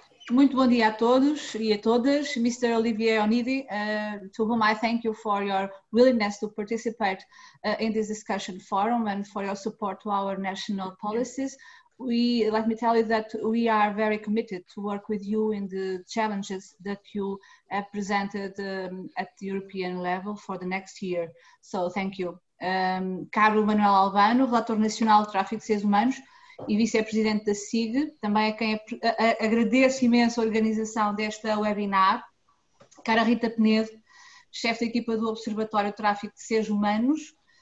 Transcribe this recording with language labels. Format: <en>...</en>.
<pt>Muito bom dia a todos e a todas.</pt> <en>Mr. Olivier Onidi, to whom I thank you for your willingness to participate in this discussion forum and for your support to our national policies. Let me tell you that we are very committed to work with you in the challenges that you have presented at the European level for the next year. So thank you.</en> <pt>Caro Manuel Albano, Relator Nacional de Tráfico de Seres Humanos, e vice-presidente da SIG, também a quem agradeço imenso a organização desta webinar. Cara Rita Penedo, chefe da equipa do Observatório de Tráfico de Seres Humanos.</pt>